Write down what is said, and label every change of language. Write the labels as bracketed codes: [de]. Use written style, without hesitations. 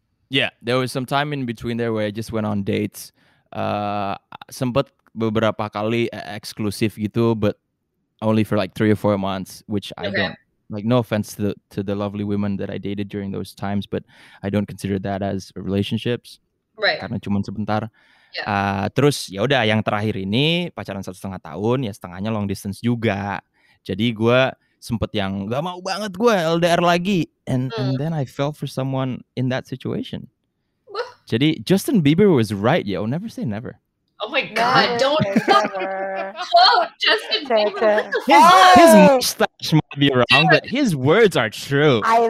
[en] Yeah, there was some time in between there where I just went on dates. [id] Sempat beberapa kali eksklusif gitu, [en] but only for like 3 or 4 months, which I don't, like no offense to the lovely women that I dated during those times, but I don't consider that as relationships. Right. [id] Karena cuma sebentar. Terus ya udah yang terakhir ini pacaran 1,5 tahun ya setengahnya long distance juga. Jadi gue sempet yang gak mau banget gue LDR lagi [en] and then I fell for someone in that situation. Wah. Jadi Justin Bieber was right, yo, never say never. Oh my god, never don't quote Justin Bieber. His mustache might be wrong, but his words are true.